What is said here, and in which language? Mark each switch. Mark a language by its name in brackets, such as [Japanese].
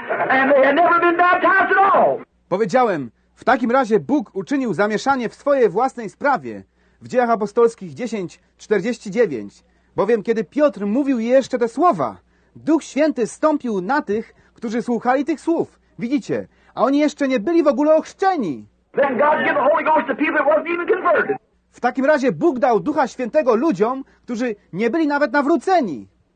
[English] And they had never been baptized at all. [Polish] Powiedziałem, w takim razie Bóg uczynił zamieszanie w swojej własnej sprawie w Dziejach Apostolskich 10:49. Bowiem kiedy Piotr mówił jeszcze te słowa, Duch Święty stąpił na tych, którzy słuchali tych słów. Widzicie? A oni jeszcze nie byli w ogóle ochrzczeni. [English] Then God gave the Holy Ghost to people who wasn't even converted. [Polish] W takim razie Bóg dał Ducha Świętego ludziom, którzy nie byli nawet nawróceni.